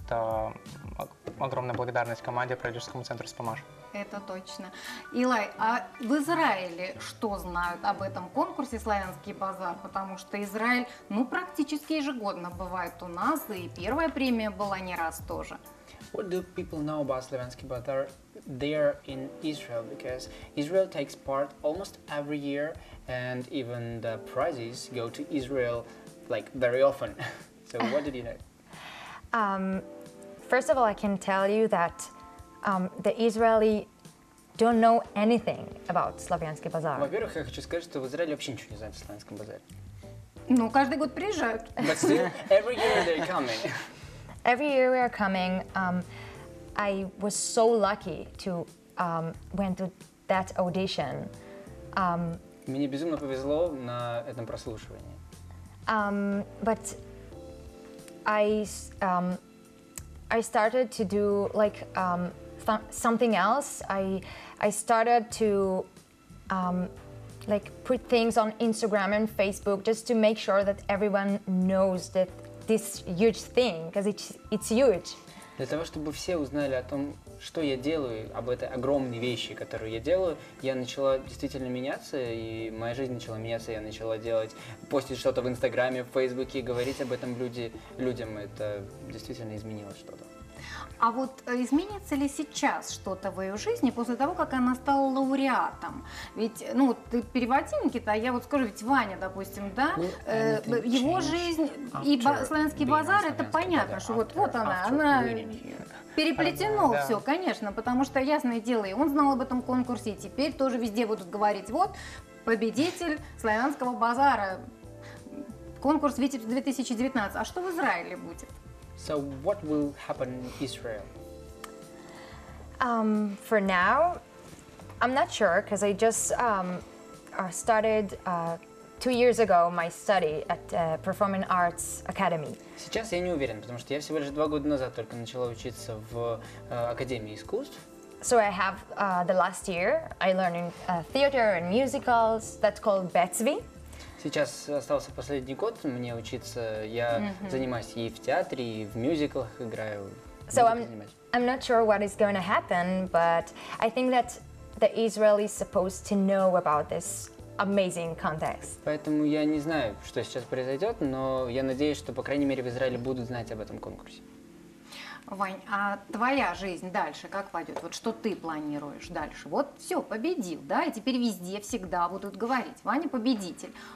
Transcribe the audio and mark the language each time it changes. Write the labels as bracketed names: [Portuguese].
[Russian] Это огромная благодарность команде, продюсерскому центру «Спамаш». Это точно. Илай, а в Израиле что знают об этом конкурсе «Славянский базар»? Потому что Израиль, ну, практически ежегодно бывает у нас, и первая премия была не раз тоже. [English] What do people know about Slavyansky Bazaar there in Israel? Because Israel takes part almost every year, and even the prizes go to Israel, like, very often. So what did you know? First of all, I can tell you that the Israeli don't know anything about Slavyansky Bazaar. [Russian] Во-первых, я хочу сказать, что в Израиле вообще ничего не знают о Славянском базаре. Ну, каждый год приезжают. [English] But still, every year they're coming. Every year we are coming. I was so lucky to went to that audition. [Russian] Мне безумно повезло на этом прослушивании. [English] But I started to do like something else. I started to like put things on Instagram and Facebook just to make sure that everyone knows that this huge thing, because it's huge. [Russian] Для того, чтобы все узнали о том, что я делаю, об этой огромной вещи, которую я делаю, я начала действительно меняться, и моя жизнь начала меняться, я начала делать, постить что-то в Инстаграме, в Фейсбуке, говорить об этом людям, это действительно изменило что-то. А вот изменится ли сейчас что-то в ее жизни после того, как она стала лауреатом? Ведь, ну, ты переводи, Никита, а я вот скажу, ведь Ваня, допустим, да, его жизнь и Славянский базар, это понятно, что вот она переплетено все, конечно, потому что, ясное дело, и он знал об этом конкурсе, и теперь тоже везде будут говорить, вот, победитель Славянского базара, конкурс «Витебск 2019», а что в Израиле будет? [English] So what will happen in Israel? For now, I'm not sure because I just started 2 years ago my study at Performing Arts Academy. [Russian] Сейчас я не уверен, потому что я всего лишь 2 года назад только начала учиться в Академии искусств. [English] So I have the last year I learned in theater and musicals. That's called Betsvi. [Russian] Сейчас остался последний год мне учиться. Я занимаюсь и в театре, и в мюзиклах играю. [English] So I'm not sure what is going to happen, but I think that the Israelis supposed to know about this amazing contest. [Russian] Поэтому я не знаю, что сейчас произойдет, но я надеюсь, что по крайней мере в Израиле будут знать об этом конкурсе. Вань, а твоя жизнь дальше как пойдет? Вот что ты планируешь дальше? Вот все, победил, да? И теперь везде всегда будут говорить: Ваня победитель.